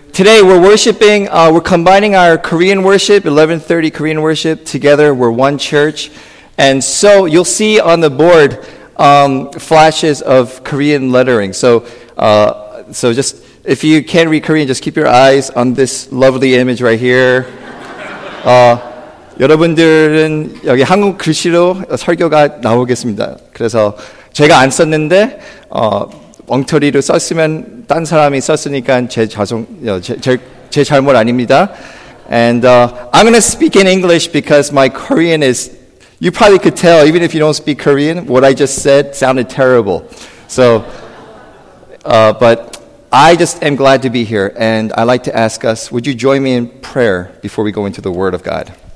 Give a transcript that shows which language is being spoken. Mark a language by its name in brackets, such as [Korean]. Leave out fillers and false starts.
[English] Today we're worshiping, we're combining our Korean worship, 11:30 Korean worship, together. We're one church. And so you'll see on the board flashes of Korean lettering. So just if you can't read Korean, just keep your eyes on this lovely image right here. [Korean] 여러분들은 여기 한국 글씨로 설교가 나오겠습니다. 그래서 제가 안 썼는데 엉터리로 썼으면 딴 사람이 썼으니까 제 잘못 아닙니다. [English] And I'm going to speak in English because my Korean is. You probably could tell, even if you don't speak Korean, what I just said sounded terrible. So, but I just am glad to be here, and I'd like to ask us, would you join me in prayer before we go into the Word of God?